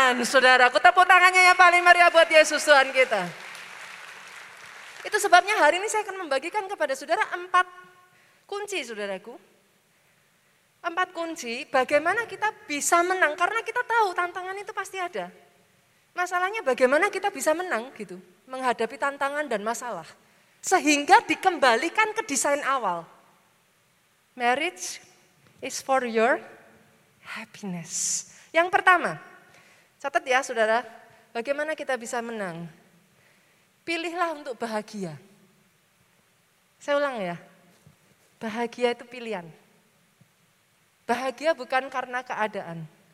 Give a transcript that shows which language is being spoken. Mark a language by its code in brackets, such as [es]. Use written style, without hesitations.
[id] saudaraku. Tepuk tangannya yang paling meriah buat Yesus Tuhan kita. Itu sebabnya hari ini saya akan membagikan kepada saudara empat kunci, saudaraku. Empat kunci bagaimana kita bisa menang, karena kita tahu tantangan itu pasti ada. Masalahnya bagaimana kita bisa menang gitu, menghadapi tantangan dan masalah. Sehingga dikembalikan ke desain awal. [en] Marriage is for your happiness. [id] Yang pertama, catat ya saudara, bagaimana kita bisa menang. Pilihlah untuk bahagia. Saya ulang ya, bahagia itu pilihan. Bahagia bukan karena keadaan.